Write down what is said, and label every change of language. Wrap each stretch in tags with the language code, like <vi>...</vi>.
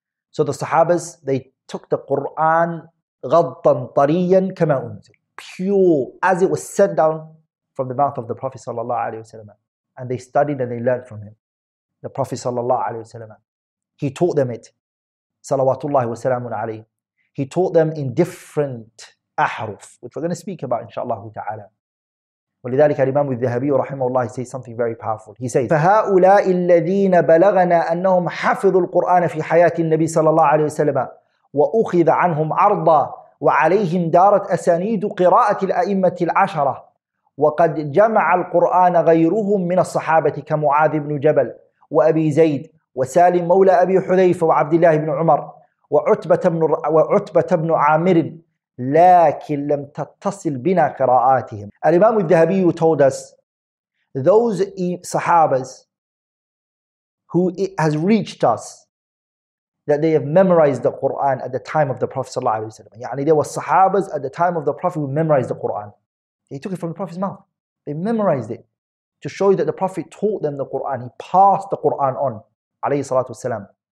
<en>So the Sahabas, they took the Quran</en> <ar>ghaddan tariyan kama unzil,</ar> <en>pure as it was sent down from the mouth of the Prophet sallallahu alayhi wa sallam, and they studied and they learned from him. The Prophet sallallahu alayhi wa sallam, he taught them it, salawatullahi wa salamun alayhi. He taught them in different ahruf, which we're going to speak about inshallah ta'ala.</en> <ar>ولذلك الإمام الذهبي رحمه الله</ar> <en>says something very powerful. He says,</en> <ar>فهؤلاء الذين بلغنا أنهم حفظوا القرآن في حياة النبي صلى الله عليه وسلم وأخذ عنهم عرضا وعليهم دارت أسانيد قراءة الأئمة العشرة وقد جمع القرآن غيرهم من الصحابة كمعاذ بن جبل وأبي زيد وسالم مولى أبي حذيفة وعبد الله بن عمر وعتبة بن عامر لكن لم تتصل بنا قراءاتهم.</ar> <en>الإمام الذهبي told us, those sahabas who it has reached us that they have memorized the Quran at the time of the Prophet</en> <ar>صلى الله عليه وسلم,</ar> <en>يعني there were sahabas at the time of the Prophet who memorized the Quran. They took it from the Prophet's mouth, they memorized it to show you that the Prophet taught them the Quran, he passed the Quran on</en> <ar>عليه الصلاة والسلام.</ar>